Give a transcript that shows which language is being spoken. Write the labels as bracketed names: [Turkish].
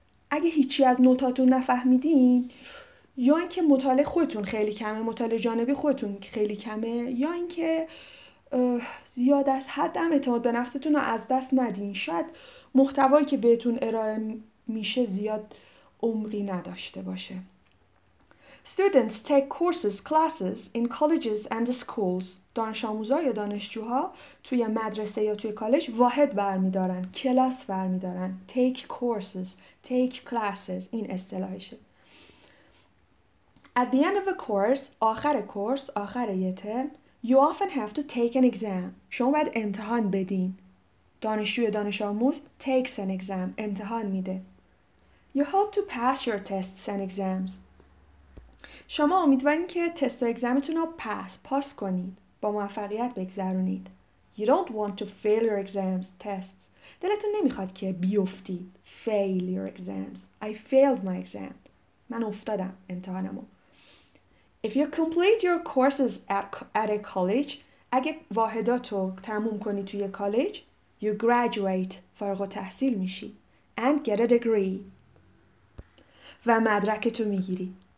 [Persian] اگه هیچی از نوتاتون نفهمیدین، یا اینکه مطالعه خودتون خیلی کمه، مطالعه جانبی خودتون خیلی کمه، یا اینکه زیاد از حد هم اعتماد به نفستون رو از دست ندین، شاید محتوایی که بهتون ارائه میشه زیاد عمری نداشته باشه. [English] Students take courses, classes in colleges and schools. [Persian] دانش آموزا یا دانشجوها توی مدرسه یا توی کالج واحد برمیدارن، کلاس برمیدارن. [English] Take courses, take classes. [Persian] این اصطلاحشه. [English] At the end of a course, [Persian] آخر کورس، آخر یه ترم، [English] you often have to take an exam. [Persian] شما باید امتحان بدین. دانشجو یا دانش آموز [English] takes an exam. [Persian] امتحان میده. [English] You hope to pass your tests and exams. [Persian] شما امیدوارین که تست و اگزامتون رو پاس کنید. با موفقیت بگذرونید. [English] You don't want to fail your exams, tests. [Persian] دلتون نمیخواد که بیفتید. [English] Fail your exams. I failed my exam. [Persian] من افتادم امتحانمو. [English] If you complete your courses at a college, [Persian] اگه واحداتو تموم کنی توی کالج, [English] you graduate, [Persian] فارغ التحصیل میشی, [English] and get a degree, [Persian] و مدرکتو میگیری.